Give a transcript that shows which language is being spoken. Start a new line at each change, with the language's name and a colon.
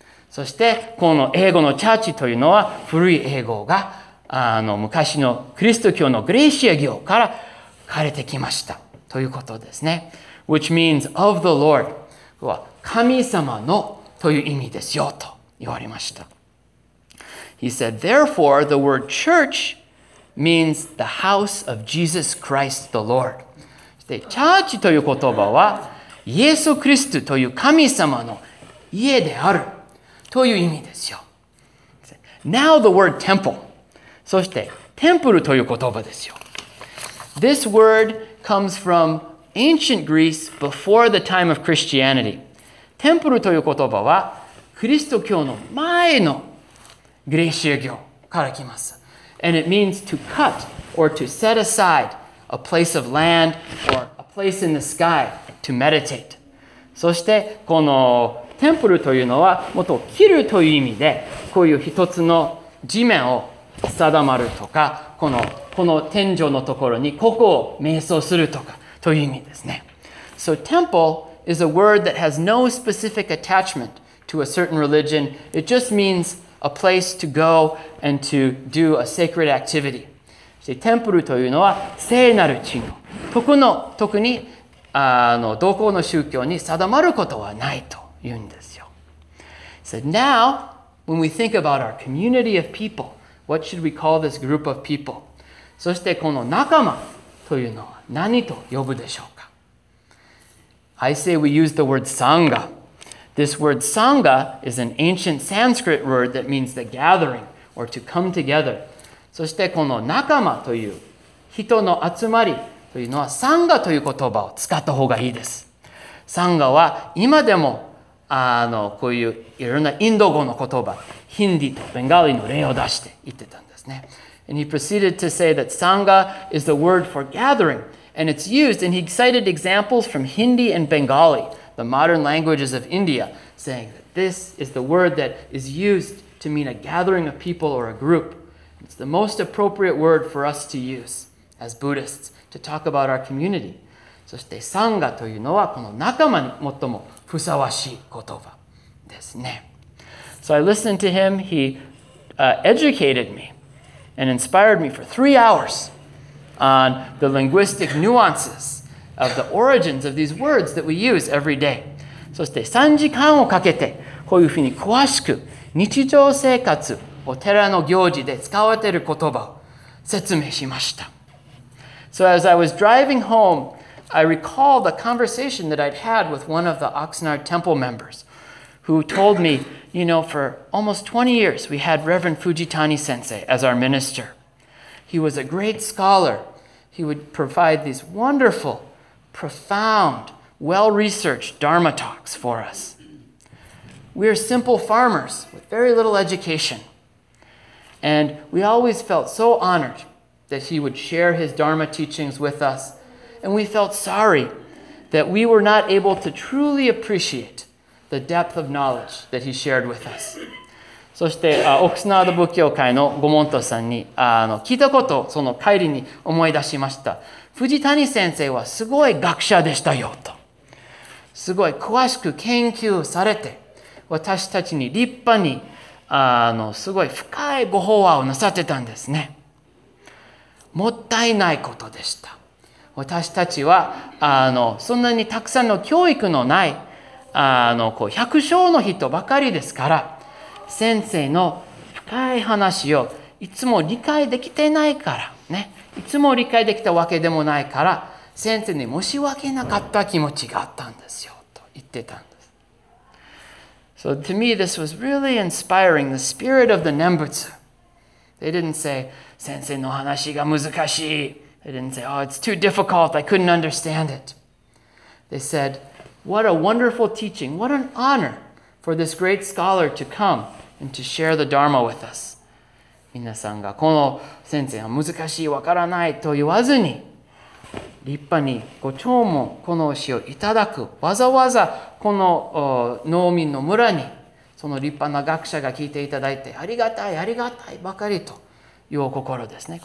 Japanese: そしてこの英語のチャーチというのは古い英語があの昔のクリスト教のグレーシア教から借りてきましたということですね。
English: Which means of the Lord.
Japanese: は神様のという意味ですよと言われました。
English: He said, therefore, the word church means the house of Jesus Christ the Lord.
Japanese: そして、チャーチという言葉は、イエス・クリストという神様の家であるという意味ですよ。
English: Now the word temple.
Japanese: そして、テンプルという言葉ですよ。
English: This word comes from ancient Greece before the time of Christianity.
Japanese: テンプルという言葉は、キリスト教の前のギリシア教から来ます。
English: And it means to cut or to set aside a place of land or a place in the sky to meditate.
Japanese: そして、このテンプルというのは、もっと切るという意味で、こういう一つの地面を定まるとか、この天井のところにここを瞑想するとかという意味ですね。
English: So temple is a word that has no specific attachment to a certain religion. It just means a place to go and to do a sacred activity.
Japanese: そしてテンプルというのは聖なる地の、特にあのどこの宗教に定まることはないと言うんですよ。
English: So now, when we think about our community of people,What should we call this group of people?
Japanese: そしてこの仲間というのは何と呼ぶでしょうか?
English: I say we use the word Sangha. This word Sangha is an ancient Sanskrit word that means the gathering or to come together.
Japanese: そしてこの仲間という人の集まりというのは Sangha という言葉を使った方がいいです。 Sangha は今でもあのこういういろんなインド語の言葉ヒンディとベンガリの例を出して言ってたんですね。
English: And he proceeded to say that Sangha is the word for gathering, and it's used, and he cited examples from Hindi and Bengali, the modern languages of India, saying that this is the word that is used to mean a gathering of people or a group. It's the most appropriate word for us to use as Buddhists to talk about our community.
Japanese: そして Sangha というのはこの仲間に最もふさわしい言葉ですね。
English: So I listened to him. He educated me and inspired me for 3 hours on the linguistic nuances of the origins of these words that we use every day.
Japanese: そして3時間をかけてこういうふうに詳しく日常生活、お寺の行事で使われている言葉を説明しました。
English: So as I was driving home, I recalled a conversation that I'd had with one of the Oxnard Temple members, who told me, you know, for almost 20 years we had Reverend Fujitani Sensei as our minister. He was a great scholar. He would provide these wonderful, profound, well-researched Dharma talks for us. We are simple farmers with very little education. And we always felt so honored that he would share his Dharma teachings with us. And we felt sorry that we were not able to truly appreciate the depth of knowledge that he shared with us.
Japanese: そして、オクスナード仏教会のゴモントさんに聞いたことをその帰りに思い出しました。藤谷先生はすごい学者でしたよと。すごい詳しく研究されて、私たちに立派にすごい深いご法話をなさってたんですね。もったいないことでした。私たちはそんなにたくさんの教育のない百姓の人ばかりですから、先生の深い話をいつも理解できてないからね、いつも理解できたわけでもないから、先生に申し訳なかった気持ちがあったんですよと言ってたんです。
English: So to me, this was really inspiring, the spirit of the Nembutsu. They didn't say,
Japanese: 先生の話が難しい。
English: They didn't say, oh, it's too difficult, I couldn't understand it. They said, what a wonderful teaching, what an honor for this great scholar to come and to share the Dharma with us.
Japanese: 皆さんがこの先生は難しい、わからないと言わずに、立派にご弔問、この教えをいただく、わざわざこの農民の村に、その立派な学者が聞いていただいて、ありがたい、ありがたいばかりと、いう心ですね。